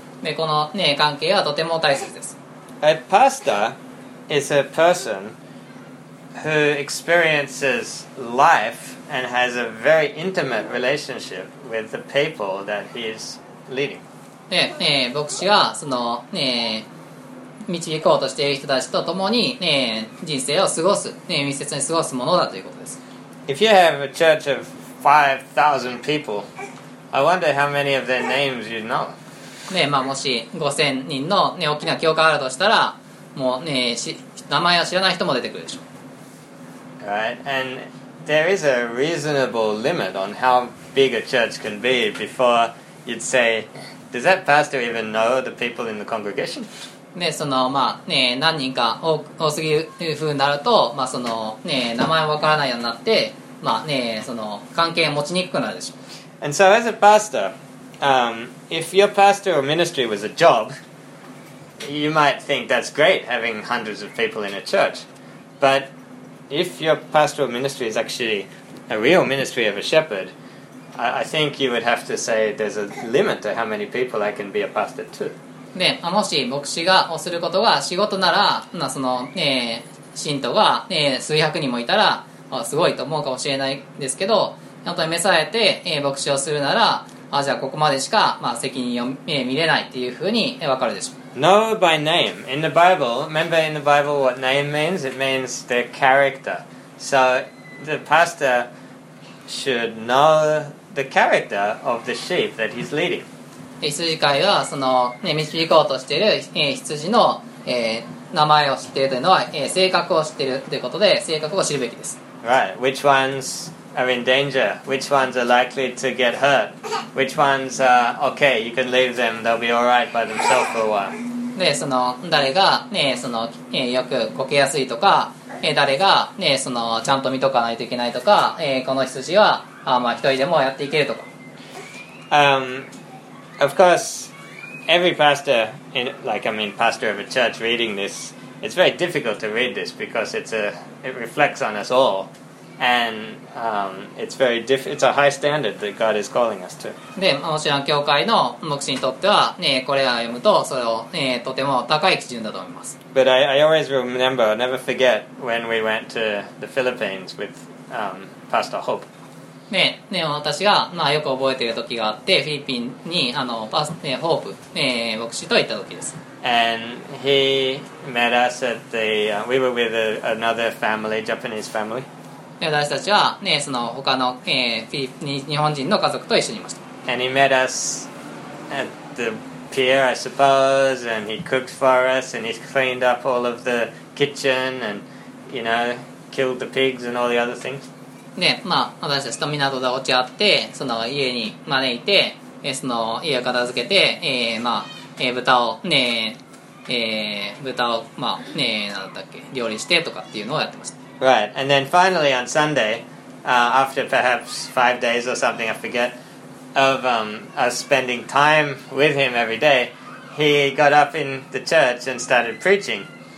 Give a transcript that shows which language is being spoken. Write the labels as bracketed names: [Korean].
[Japanese] でこの、ね、関係はとても大切です。 [English] A pastor is a person who experiences life and has a very intimate relationship with the people that he is leading. [Japanese] で、牧師はその、導こうとしている人たちと共に、人生を過ごす、密接に過ごすものだということです。 [English] If you have a church of 5,000 people, I wonder how many of their names you know. [Japanese] ねまあ、もし5000人の、ね、大きな教会があるとしたらもう、ね、名前を知らない人も出てくるでしょう。 [English] Right. And there is a reasonable limit on how big a church can be before you'd say, does that pastor even know the people in the congregation? [Japanese] ねその、まあね、何人か 多すぎるふうになると、まあそのね、名前わからないようになって、まあね、その関係持ちにくくなるでしょう。 [English] And so as a pastorIf your pastor or ministry was a job, you might think that's great having hundreds of people in a church. But if your pastor or ministry is actually a real ministry of a shepherd, I think you would have to say there's a limit to how many people I can be a pastor to. [Japanese] で、もし牧師がおすることが仕事なら、まあその、信徒が、数百人もいたら、まあ、すごいと思うかもしれないですけど、本当に召されて、牧師をするなら、あじゃあここまでしか、まあ、責任を、見れないっていうふうに分かるでしょう。 [English] Know by name. In the Bible, remember in the Bible what name means? It means their character. So the pastor should know the character of the sheep that he's leading. [Japanese] 羊飼いはその、ね、導こうとしている、羊の、名前を知っているというのは、性格を知っているということで性格を知るべきです。 [English] Right. Which ones? Are in danger. Which ones are likely to get hurt? Which ones are okay? You can leave them. They'll be all right by themselves for a while. [Japanese] で、その誰がね、その、よくこけやすいとか、誰がね、そのちゃんと見とかないといけないとか、この羊はあまあ一人でもやっていけるとか。 [English] Of course, every pastor, pastor of a church reading this, it's very difficult to read this because it reflects on us all. And it's a high standard that God is calling us to. [Japanese] で、もちろん教会の牧師にとっては、ね、これを読むとそれを、ね、とても高い基準だと思います。 [English] But I always remember, I'll never forget when we went to the Philippines with Pastor Hope. [Japanese] ね、ね、私が、まあ、よく覚えている時があって、フィリピンにホープ、牧師と行った時です。 [English] And he met us at the, we were with another family, Japanese family. [Japanese] 私たちは、ね、その他の、日本人の家族と一緒にいました。 [English] And he met us at the P here, I suppose, and he cooked for us, and he's cleaned up all of the kitchen, and, you know, killed the pigs and all the other things. [Japanese] で、まあ、私たちとみんなと落ち合って、その家に招いて、その家を片付けて、まあ、豚を、ね、豚を、まあ、ね、何だったっけ、料理してとかっていうのをやってました。 [English] Right, and then finally on Sunday, after perhaps 5 days or something, I forget, of us spending time with him every day, he got up in the church and started preaching.